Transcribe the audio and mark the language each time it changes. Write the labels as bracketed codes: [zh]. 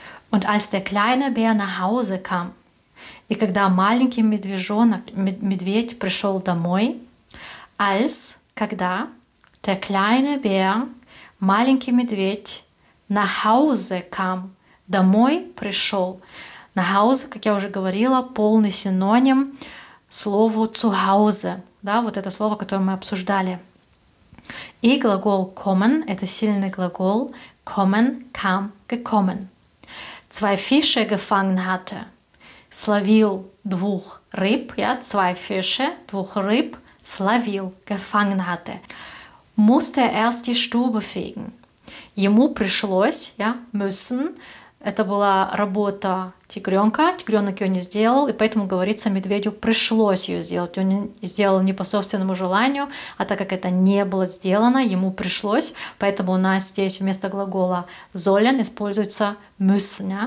[de] Und als der kleine Bär nach Hause kam, [ru] и когда маленький медвежонок, медведь пришел домой, als, когда, [de] der kleine Bär, [ru] маленький медведь, [de] nach Hause kam, [ru] домой пришел. Nach Hause, как я уже говорила, полный синоним слову zu Hause, да, вот это слово, которое мы обсуждали. И глагол kommen, это сильный глагол, kommen, kam, gekommen. [de] Zwei Fische gefangen hatte. [ru] Словил двух рыб, ja, [de] zwei Fische, [ru] двух рыб, словил, [de] gefangen hatte. Musste erst die Stube fegen. [ru] Ему пришлось, ja, müssen, это была работа тигренка, тигренок ее не сделал, и поэтому говорится, медведю пришлось ее сделать. Он сделал не по собственному желанию, а так как это не было сделано, ему пришлось, поэтому у нас здесь вместо глагола sollen используется müssen.